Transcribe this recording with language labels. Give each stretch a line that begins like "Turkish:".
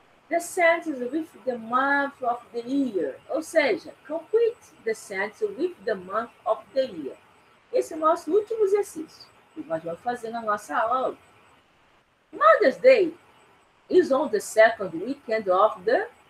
English: The sentence with the month of the year.
Portuguese: Ou seja,
English: complete the sentence with the month of the year.
Portuguese: Esse é o nosso último exercício que nós vamos fazer na nossa aula.
English: Mother's Day is on the second weekend of the...